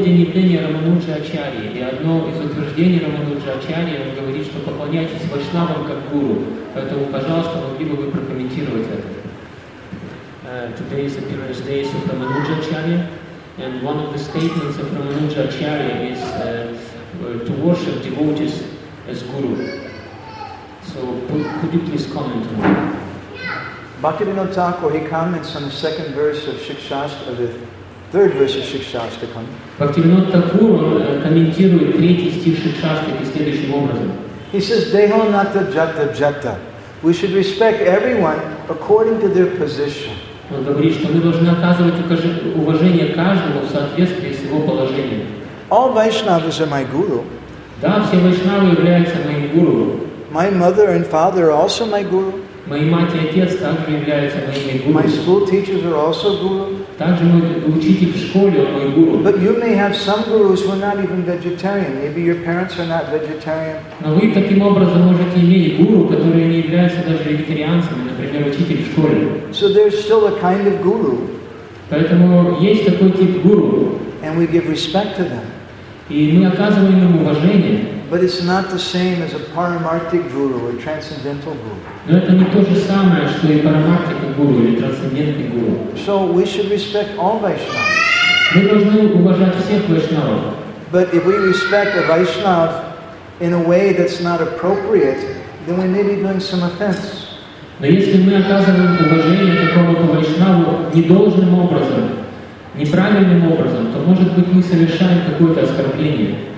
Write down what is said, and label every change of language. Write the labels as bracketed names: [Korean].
[Russian] день явления Рамануджи Ачарьи. И одно из утверждений Рамануджи Ачарьи, он говорит, что поклоняйтесь вайшнавам как гуру. Поэтому, пожалуйста, могли бы вы прокомментировать это. [English] Today is the appearance day of Ramanuja Acharya, and one of the statements of Ramanuja Acharya is to worship devotees as guru. So could you please comment on that? Bhaktivinoda Thakur, he comments on the second verse of Shikshastra, the third verse of Shikshastra. [Russian] Bhaktivinoda Thakur комментирует третий стих Шикшастры следующим образом. [English] He says, Deho Nata Jata Jata. We should respect everyone according to their position. [Russian] Он говорит, что мы должны оказывать уважение каждому в соответствии с его положением. [English] All Vaishnavas are my guru. [Russian] Да, все вайшнавы являются моим гуру. [English] My mother and father are also my guru. [Russian] Мои мать и отец также являются моими гуру. [English] My school teachers are also guru. [Russian] Также мой учитель в школе, он мой гуру. [English] But you may have some gurus who are not even vegetarian. Maybe your parents are not vegetarian. [Russian] Но вы таким образом можете иметь гуру, который не является даже вегетарианцем, например, учитель в школе. [English] So there's still a kind of guru. [Russian] Поэтому есть такой тип гуру. [English] And we give respect to them. [Russian] И мы оказываем им уважение. [English] But it's not the same as a paramarthic guru or transcendental guru. [Russian] Но это не то же самое, что и парамартика гуру или трансцендентный гуру. [English] So we should respect all Vaishnavas. [Russian] Мы должны уважать всех вайшнавов. [English] But if we respect a Vaishnav in a way that's not appropriate, then we may be doing some offense. [Russian] Но если мы оказываем уважение какому-то вайшнаву недолжным образом, неправильным образом, то может быть мы совершаем какое-то оскорбление.